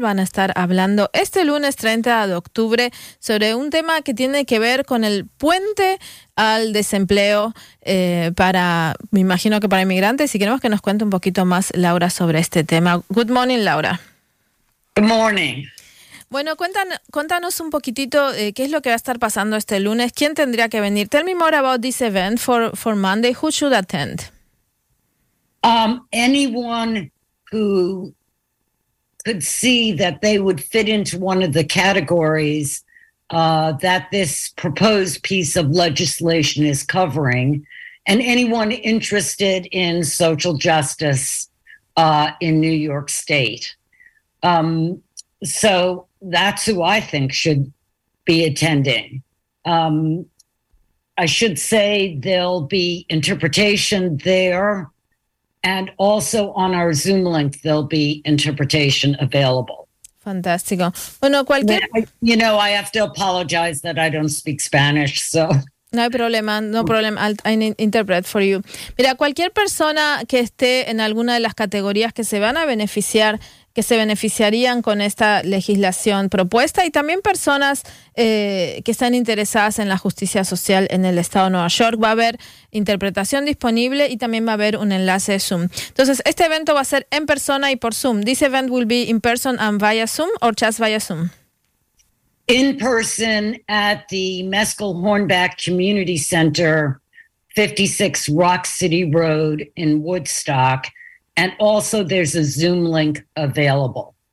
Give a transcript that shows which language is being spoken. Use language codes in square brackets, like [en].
[es] Van a estar hablando este lunes 30 de octubre sobre un tema que tiene que ver con el puente al desempleo me imagino que para inmigrantes, y queremos que nos cuente un poquito más, Laura, sobre este tema. [en] Good morning, Laura. Good morning. [es] Bueno, cuéntanos un poquitito qué es lo que va a estar pasando este lunes. ¿Quién tendría que venir? [en] Tell me more about this event for Monday. Who should attend? Anyone who could see that they would fit into one of the categories that this proposed piece of legislation is covering, and anyone interested in social justice in New York State. So that's who I think should be attending. I should say there'll be interpretation there, and also on our Zoom link, there'll be interpretation available. [es] Fantástico. Bueno, cualquier... [en] You know, I have to apologize that I don't speak Spanish, so... [es] No hay problema, [en] no problem. I interpret for you. [es] Mira, cualquier persona que esté en alguna de las categorías que se van a beneficiar, que se beneficiarían con esta legislación propuesta, y también personas que están interesadas en la justicia social en el estado de Nueva York, va a haber interpretación disponible y también va a haber un enlace de Zoom. Entonces, este evento va a ser en persona y por Zoom. [en] This event will be in person and via Zoom, or just via Zoom? In person at the Mescal Hornback Community Center, 56 Rock City Road in Woodstock. And also there's a Zoom link available.